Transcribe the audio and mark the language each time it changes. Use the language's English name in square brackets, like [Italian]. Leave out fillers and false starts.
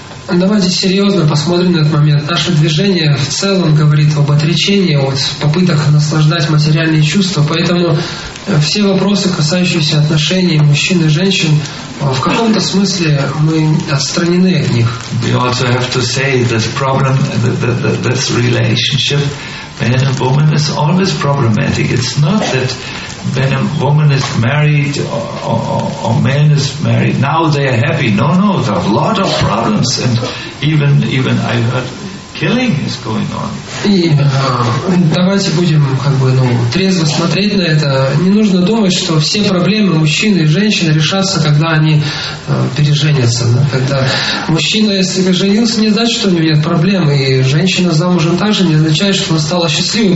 [Russian] Давайте серьезно посмотрим на этот момент. Наше движение в целом говорит об отречении, о попыток наслаждать материальные чувства. Поэтому все вопросы, касающиеся отношений мужчин и женщин, в каком-то смысле мы отстранены от них. [English] We also have to say this problem, this relationship, man and woman is always problematic. It's not that when a woman is married or man is married, now they are happy. No, no, there are a lot of problems, and even I heard killing is going on. [Russian] И давайте будем трезво смотреть на это. Не нужно думать, что все проблемы мужчины и женщины решатся, когда они переженятся. Да? Когда мужчина, если женился, не значит, что у него нет проблем. И женщина замужем также не означает, что она стала счастливой.